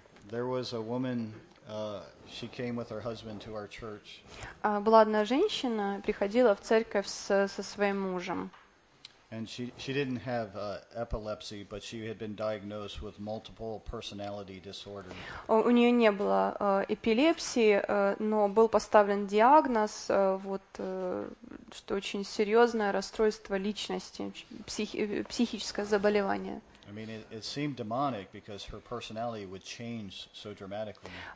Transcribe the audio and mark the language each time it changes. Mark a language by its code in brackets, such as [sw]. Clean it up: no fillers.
[en] There was a woman, she came with her husband to our church. [ru] Была одна женщина, приходила в церковь со своим мужем. [en] And she didn't have epilepsy, but she had been diagnosed with multiple personality disorder. [ru] У неё не было эпилепсии, но был поставлен диагноз что очень серьёзное расстройство личности, психическое заболевание. [en] I mean, it seemed demonic because her personality would change so dramatically.